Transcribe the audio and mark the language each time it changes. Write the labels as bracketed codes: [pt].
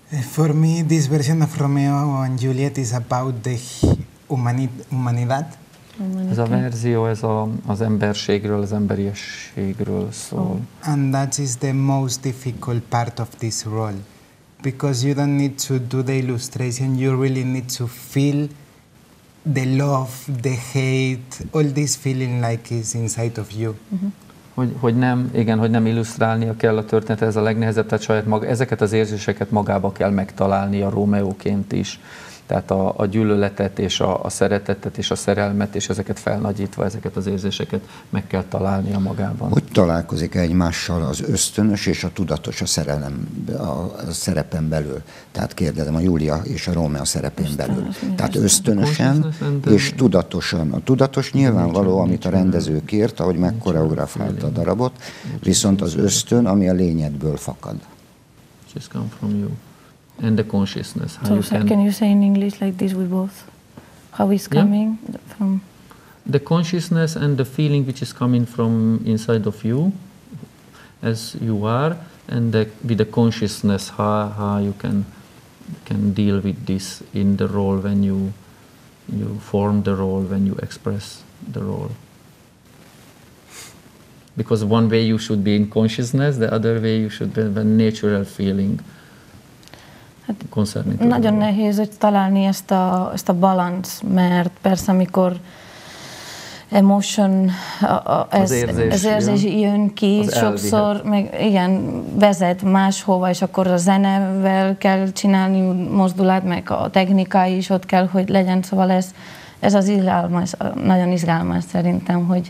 [en] For me, this version of Romeo and Juliet is about the humanidad. [hu] Ez a verzió, ez az emberségről, az emberiességről szól. [en] And that is the most difficult part of this role. Because you don't need to do the illustration, you really need to feel the love, the hate, all this feeling like is inside of you. Mm-hmm. [hu] Hogy nem illusztrálnia kell a történetet, ez a legnehezebb, tehát saját maga, ezeket az érzéseket magába kell megtalálni a Rómeóként is. Tehát a gyűlöletet és a szeretetet és a szerelmet és ezeket felnagyítva, ezeket az érzéseket meg kell találni a magában. Hogy találkozik egymással az ösztönös és a tudatos a szerelem a szerepen belül? Tehát kérdezem a Júlia és a Rómea szerepén ösztönös, belül. Tehát ösztönösen és tudatosan. A tudatos nyilvánvaló, amit a rendező kért, ahogy megkoreografálta a darabot, viszont az ösztön, ami a lényedből fakad. [en] Just come from you. And the consciousness. How so, you can you say in English like this with both? How is coming from? The consciousness and the feeling which is coming from inside of you, as you are, and with the consciousness how you can deal with this in the role when you form the role, when you express the role. Because one way you should be in consciousness, the other way you should be in natural feeling. [hu] Nagyon nehéz találni ezt a balanc, mert persze amikor emotion, az érzés jön ki, az sokszor meg, igen, vezet máshova, és akkor a zenevel kell csinálni mozdulat, meg a technika is ott kell, hogy legyen, szóval ez az izgalmas, nagyon izgalmas szerintem,